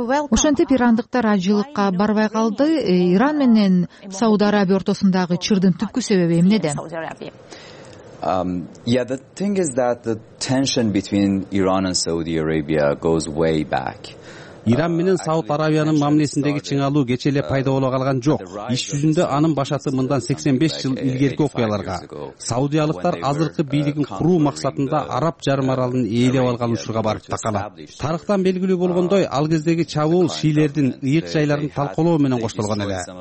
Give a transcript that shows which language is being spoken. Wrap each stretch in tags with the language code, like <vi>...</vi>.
<ky>Ошентип ирандыктар ажылыкка барбай калды. Иран менен Сауд Арабия ортосундагы чырдын түпкү себеби эмнеде?</ky> <en>The thing is that the tension between Iran and Saudi Arabia goes way back.</en> <ky>Иран менен Сауд Аравиянын мамилесиндеги чыңалуу кечээ эле пайда боло калган жок. Иш жүзүндө анын башаты мындан 85 жыл илгерки окуяларга. Саудиялыктар азыркы бийлигин куруу максатында Араб жарым аралын ээлеп алган учурга барып такалат. Тарыхтан белгилүү болгондой, ал кездеги чабуул шийлердин ыйык жайларын талкалоо менен коштолгон эле.</ky>